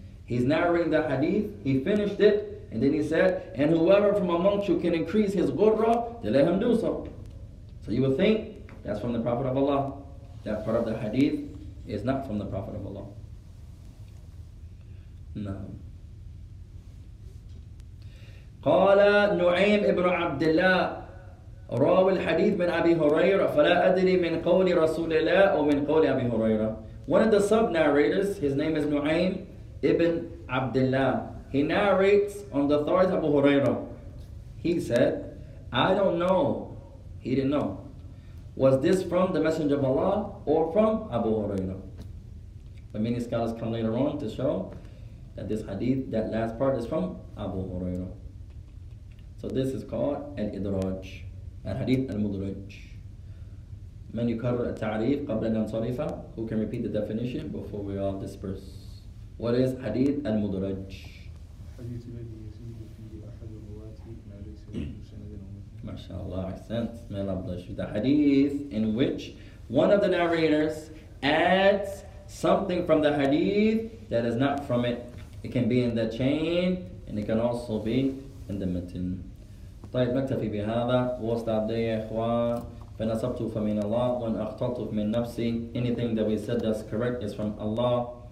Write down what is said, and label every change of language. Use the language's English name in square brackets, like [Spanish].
[English] He's narrating the hadith, he finished it, and then he said, and whoever from amongst you can increase his ghurra, then let him do so. So you would think that's from the Prophet of Allah. That part of the hadith is not from the Prophet of Allah. No. [Arabic] قال نعيم ابن عبد الله راوي الحديث من أبي هريرة فلا أدري من قول رسول الله أو من قول أبي هريرة. [English] One of the sub narrators, his name is نعيم ابن عبد الله. He narrates on the authority of Abu Huraira. He said, I don't know. He didn't know. Was this from the Messenger of Allah or from Abu Huraira? But many scholars come later on to show that this hadith, that last part, is from Abu Huraira. So this is called an idraj, an hadith al-mudraj. [Arabic] من يكرر التعريف قبل أن ينصرف. [English] Who can repeat the definition before we all disperse? What is hadith al-mudraj? [Arabic] حديث الذي يزيد فيه أحد الرواة ما ليس له سند. ما شاء الله أحسنت. [English] May Allah bless you. The hadith in which one of the narrators adds something from the hadith that is not from it. It can be in the chain and it can also be in the matin. [Arabic] طيب نكتفي بهذا. [English] We'll stop there, [Arabic] إخوان. فنصبت فمن الله وأخطأت من نفسي. [English] Anything that we said that's correct is from Allah.